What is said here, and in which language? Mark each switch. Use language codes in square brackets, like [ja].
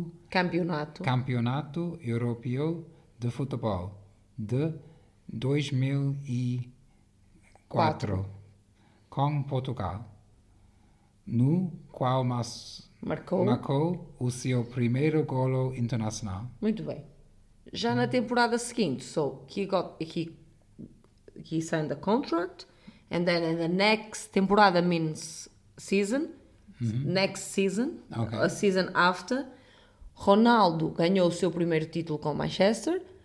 [pt] Campeonato Europeu de Futebol de 2004 com Portugal, no qual marcou o seu primeiro golo internacional. Muito bem. Já na temporada seguinte, [en] he signed a contract. And then in the next temporada means season, mm-hmm. next season, okay. a season after, [pt] Ronaldo ganhou o seu primeiro título com Manchester.